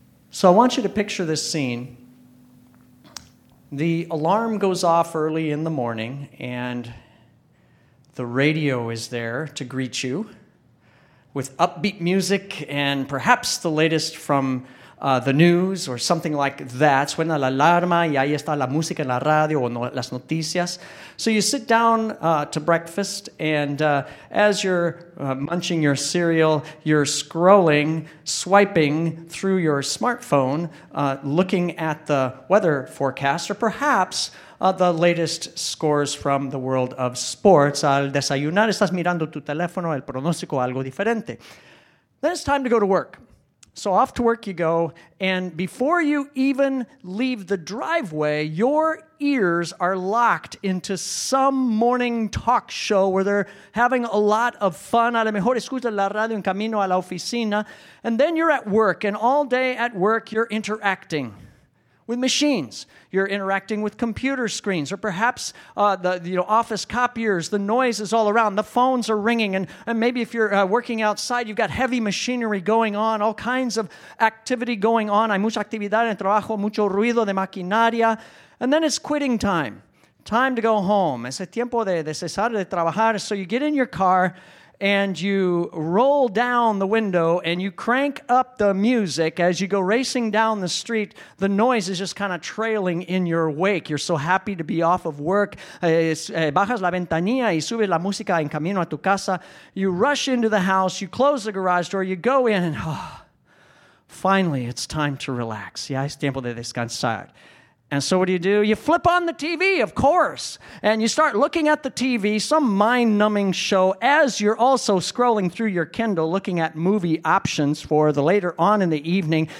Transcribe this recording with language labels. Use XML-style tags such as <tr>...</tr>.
<en>So I want you to picture this scene. The alarm goes off early in the morning, and the radio is there to greet you with upbeat music and perhaps the latest from the news or something like that.</en> <es>Suena la alarma y ahí está la música en la radio o las noticias.</es> <en>So you sit down to breakfast, and as you're munching your cereal, you're scrolling, swiping through your smartphone, looking at the weather forecast or perhaps the latest scores from the world of sports.</en> <es>Al desayunar, estás mirando tu teléfono, el pronóstico, algo diferente.</es> <en>Then it's time to go to work. So off to work you go, and before you even leave the driveway, your ears are locked into some morning talk show where they're having a lot of fun.</en> <es>A lo mejor escuchas la radio en camino a la oficina.</es> <en>And then you're at work, and all day at work you're interacting with machines. You're interacting with computer screens, or perhaps the office copiers. The noise is all around. The phones are ringing, and maybe if you're working outside, you've got heavy machinery going on, all kinds of activity going on.</en> <es>Hay mucha actividad en el trabajo, mucho ruido de maquinaria.</es> <en>And then it's quitting time. Time to go home.</en> <es>Es el tiempo de cesar de trabajar.</es> <en>So you get in your car, and you roll down the window and you crank up the music as you go racing down the street. The noise is just kind of trailing in your wake. You're so happy to be off of work.</en> <es>Bajas la ventanilla y subes la música en camino a tu casa.</es> <en>You rush into the house, you close the garage door, you go in, and oh, finally it's time to relax.</en> <es>Ya es tiempo de descansar.</es> <en>And so what do? You flip on the TV, of course, and you start looking at the TV, some mind-numbing show, as you're also scrolling through your Kindle, looking at movie options for the later on in the evening.</en>